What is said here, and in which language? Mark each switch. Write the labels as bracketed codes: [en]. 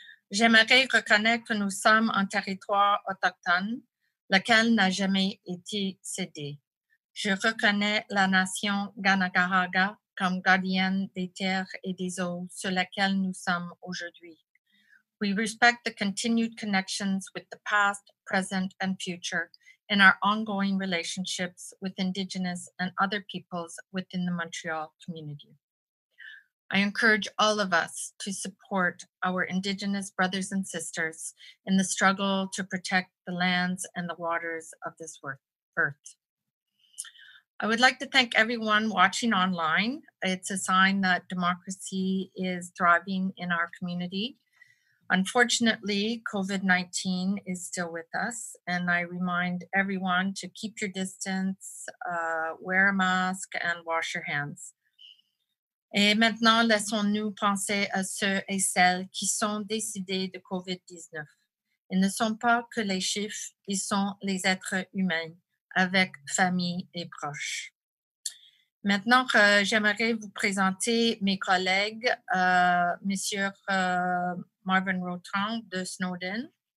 [fr] J'aimerais reconnaître que nous sommes un territoire autochtone, lequel n'a jamais été cédé. Je reconnais la nation Ganagaraga comme gardienne des terres et des eaux sur lesquelles nous sommes aujourd'hui. [en] We respect the continued connections with the past, present, and future in our ongoing relationships with Indigenous and other peoples within the Montreal community. I encourage all of us to support our Indigenous brothers and sisters in the struggle to protect the lands and the waters of this earth. I would like to thank everyone watching online. It's a sign that democracy is thriving in our community. Unfortunately, COVID-19 is still with us, and I remind everyone to keep your distance, wear a mask, and wash your hands. [fr] Et maintenant, laissons-nous penser à ceux et celles qui sont décédés de COVID-19. Ils ne sont pas que les chiffres, ils sont les êtres humains, avec famille et proches. Maintenant, j'aimerais vous présenter mes collègues, Monsieur Marvin Rotron de Snowden.